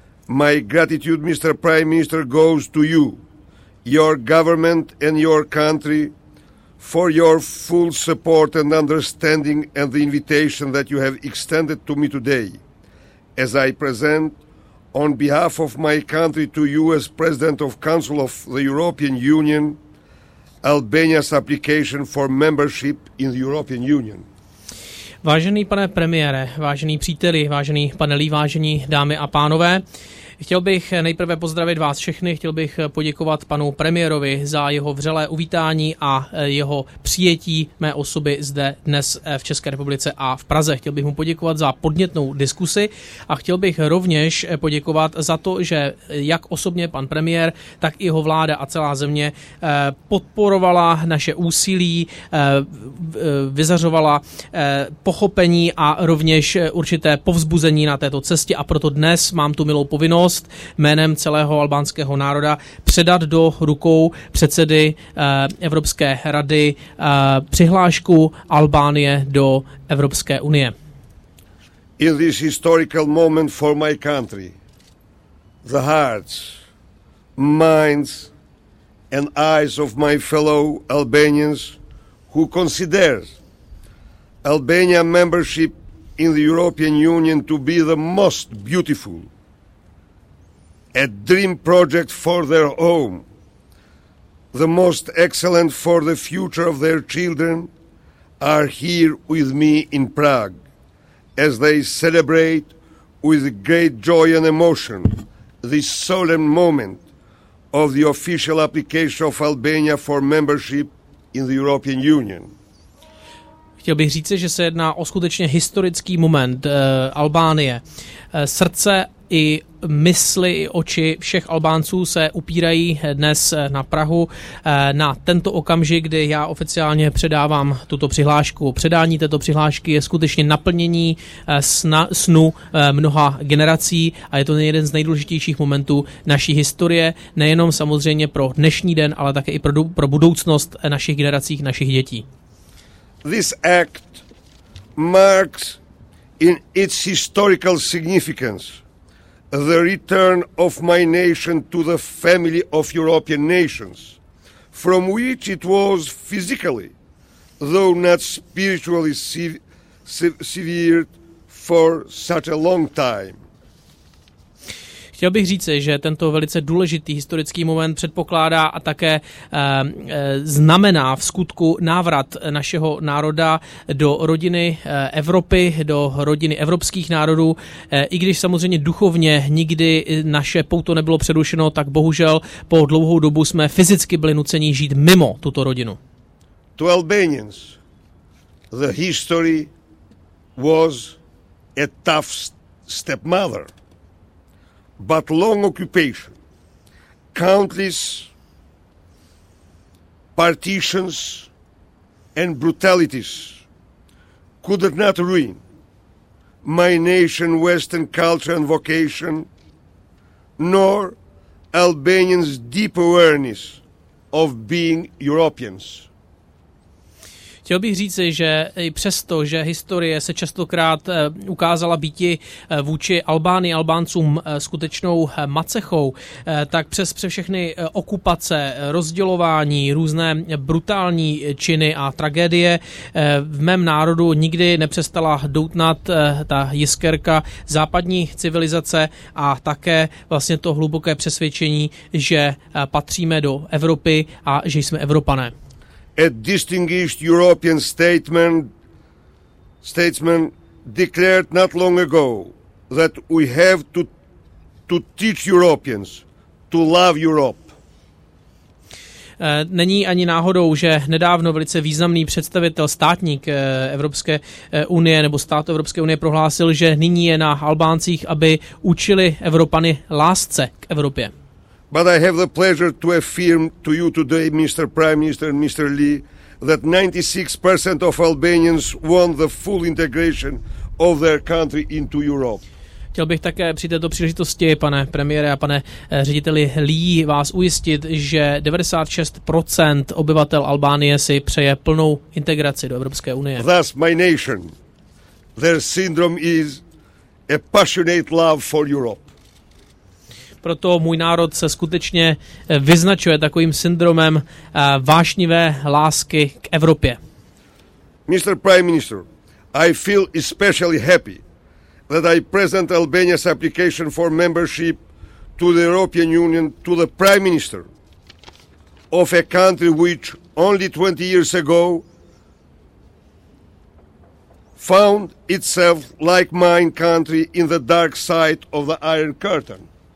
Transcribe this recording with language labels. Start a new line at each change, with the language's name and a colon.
English: My gratitude, Mr. Prime Minister, goes to you, your government and your country, for your full support and understanding and the invitation that you have extended to me today, as I present on behalf of my country to you as President of Council of the European Union, Albania's application for membership in the European Union.
Czech: Vážený pane premiére, vážený příteli, vážený pane Lee, vážení dámy a pánové, chtěl bych nejprve pozdravit vás všechny, chtěl bych poděkovat panu premiérovi za jeho vřelé uvítání a jeho přijetí mé osoby zde dnes v České republice a v Praze. Chtěl bych mu poděkovat za podnětnou diskusi a chtěl bych rovněž poděkovat za to, že jak osobně pan premiér, tak i jeho vláda a celá země podporovala naše úsilí, vyzařovala pochopení a rovněž určité povzbuzení na této cestě, a proto dnes mám tu milou povinnost jménem celého albánského národa předat do rukou předsedy Evropské rady přihlášku Albánie do Evropské unie.
English: In this historical moment for my country, the hearts, minds and eyes of my fellow Albanians who consider Albania membership in the European Union to be the most beautiful, a dream project for their home, the most excellent for the future of their children, are here with me in Prague as they celebrate with great joy and emotion this solemn moment of the official application of Albania for membership in the European Union.
Czech: Chtěl bych říci, že se jedná o skutečně historický moment Albánie. Srdce i mysli i oči všech Albánců se upírají dnes na Prahu, na tento okamžik, kdy já oficiálně předávám tuto přihlášku. Předání této přihlášky je skutečně naplnění snu mnoha generací a je to jeden z nejdůležitějších momentů naší historie, nejenom samozřejmě pro dnešní den, ale také i pro budoucnost našich generací, našich dětí.
English: This act marks in its historical significance the return of my nation to the family of European nations, from which it was physically, though not spiritually, severed for such a long time.
Czech: Chtěl bych říci, že tento velice důležitý historický moment předpokládá a také znamená v skutku návrat našeho národa do rodiny Evropy, do rodiny evropských národů. I když samozřejmě duchovně nikdy naše pouto nebylo přerušeno, tak bohužel po dlouhou dobu jsme fyzicky byli nuceni žít mimo tuto rodinu.
English: To Albanians, the history was a tough stepmother. But long occupation, countless partitions and brutalities could not ruin my nation, Western culture and vocation, nor Albanians' deep awareness of being Europeans.
Czech: Chtěl bych říci, že i přesto, že historie se častokrát ukázala býti vůči Albánii, Albáncům skutečnou macechou, tak přes všechny okupace, rozdělování, různé brutální činy a tragédie v mém národu nikdy nepřestala doutnat ta jiskerka západní civilizace a také vlastně to hluboké přesvědčení, že patříme do Evropy a že jsme Evropané.
English: A distinguished European statesman declared not long ago that we have to teach Europeans to love Europe.
Czech: Není ani náhodou, že nedávno velice významný představitel, státník Evropské unie nebo stát Evropské unie prohlásil, že nyní je na Albáncích, aby učili Evropany lásce k Evropě.
English: But I have the pleasure to affirm to you today, Mr. Prime Minister and Mr. Lee, that 96% of Albanians want the full integration of their country into Europe.
Czech: Chtěl bych také při této příležitosti, pane premiére a pane řediteli Lee, vás ujistit, že 96% obyvatel Albánie si přeje plnou integraci do Evropské unie.
English: Thus, my nation, their syndrome is a passionate love for Europe.
Czech: Proto můj národ se skutečně vyznačuje takovým syndromem vášnivé lásky k Evropě.
English: Mr. Prime Minister, I feel especially happy that I present Albania's application for membership to the European Union to the Prime Minister of a country which only 20 years ago found itself like mine country in the dark side of the Iron Curtain.